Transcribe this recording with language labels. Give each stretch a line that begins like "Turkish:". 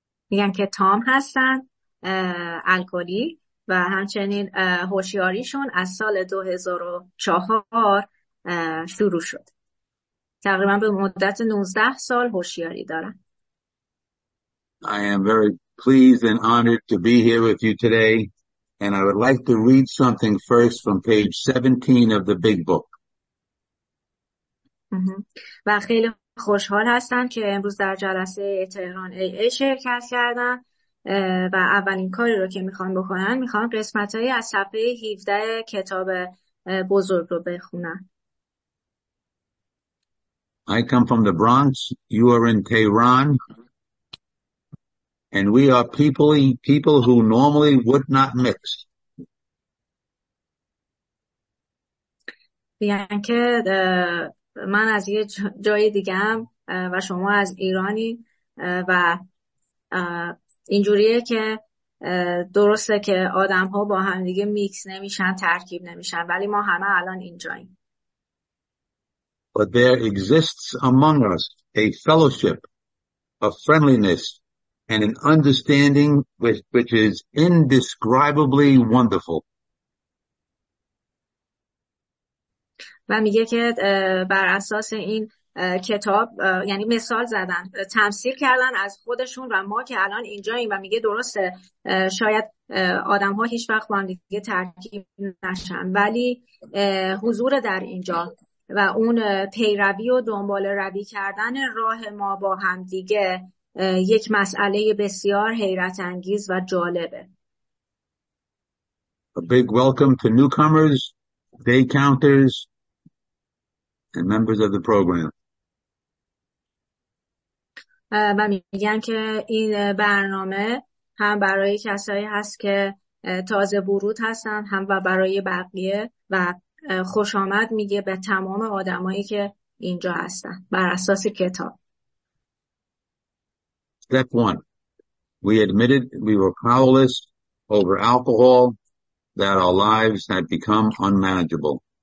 Persian: میگن که تام هستن الکلی و همچنین هوشیاریشون از سال 2004 شروع شد. تقریبا به مدت 19 سال هوشیاری دارن.
English: I am very pleased and honored to be here with you today, and I would like to read something first from page 17 of the big book.
Persian: و خیلی خوشحال هستم که امروز در جلسه تهران ای ای شرکت کردم و اولین کاری رو که میخوام بکنم میخوام قسمت هایی از صفحه 17 کتاب بزرگ رو بخونم.
English: I come from the Bronx. You are in Tehran. And we are people who normally would not mix.
Persian: بیان که من از یه جای دیگم و شما از ایرانی و اینجوریه که درسته که آدم ها با هم دیگه میکس نمیشن، ترکیب نمیشن، ولی ما همه الان اینجاییم.
English: But there exists among us a fellowship of friendliness and an understanding which is indescribably wonderful.
Persian: و میگه که بر اساس این کتاب یعنی مثال زدن تمثیل کردن از خودشون و ما که الان اینجاییم و میگه درسته شاید آدم ها هیچ وقت با هم دیگه ترکیب نشن ولی حضور در اینجا و اون پیروی و دنبال روی کردن راه ما با هم دیگه یک مسئله بسیار حیرت انگیز و جالبه.
English: A big welcome to newcomers, day counters, and members of the program.
Persian: و میگن که این برنامه هم برای کسایی هست که تازه ورود هستن هم و برای بقیه و خوش آمد میگه به تمام آدمایی که اینجا هستن بر اساس کتاب.
English: Step one. We admitted we were powerless over alcohol, that our lives had become unmanageable.